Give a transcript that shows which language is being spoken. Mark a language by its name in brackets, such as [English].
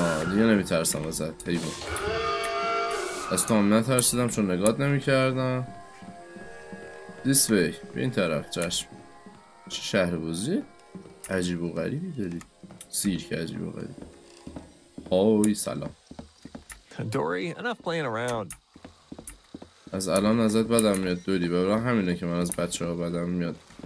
[Persian] دیگه نمیترسم ازت. از تو هم نترسیدم چون نگات نمیکردم. [English] This way. [Persian] به این طرف. چشم. چه شهر بازی عجیب و غریبی داری. سیرک عجیب و غریب. آوی سلام [English] دوری، enough playing around. [Persian] از الان ازت بدم میاد دوری، برا همینه که من از بچه ها بدم میاد.